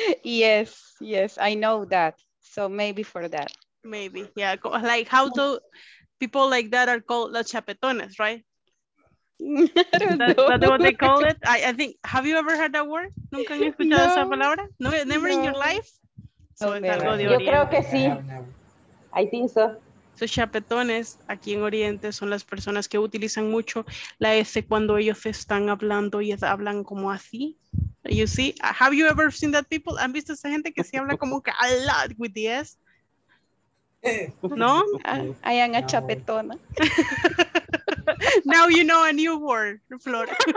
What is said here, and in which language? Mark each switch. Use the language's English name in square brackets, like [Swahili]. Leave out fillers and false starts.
[English] Yes. Yes. I know that. So maybe for that. Maybe, yeah, like how do people like that are called los chapetones, right? That's that what they call it. I think, have you ever heard that word? Nunca he escuchado esa palabra? No, never no. In your life? So okay. [Spanish] Es algo de Oriente. Yo creo que sí. [English] I think so. [Spanish] So chapetones aquí en Oriente son las personas que utilizan mucho la S cuando ellos están hablando y hablan como así. [English] You see, have you ever seen that people? [Spanish] ¿Han visto esa gente que sí habla como que a lot with the S? No, [English] I am a chapetona. Now you know a new word, Flor.